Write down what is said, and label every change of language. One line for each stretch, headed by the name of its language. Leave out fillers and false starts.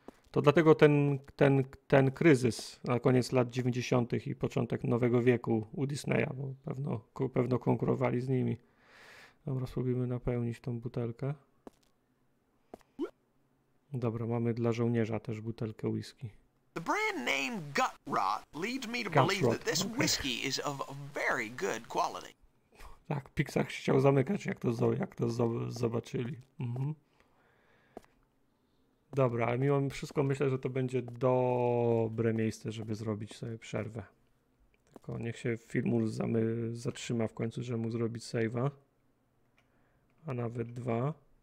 Polish: To dlatego ten kryzys na koniec lat 90. i początek nowego wieku u Disneya, bo pewno konkurowali z nimi. Dobra, spróbujmy napełnić tą butelkę. Dobra, mamy dla żołnierza też butelkę whisky.
English: The brand name Gutrot leads me to believe that this whiskey is of very good quality.
Polish: Tak, Pixar chciał zamykać, jak to zobaczyli. Mhm. Dobra, ale mimo wszystko myślę, że to będzie dobre miejsce, żeby zrobić sobie przerwę. Tylko niech się film zatrzyma w końcu, żeby mu zrobić save'a. A nawet dwa.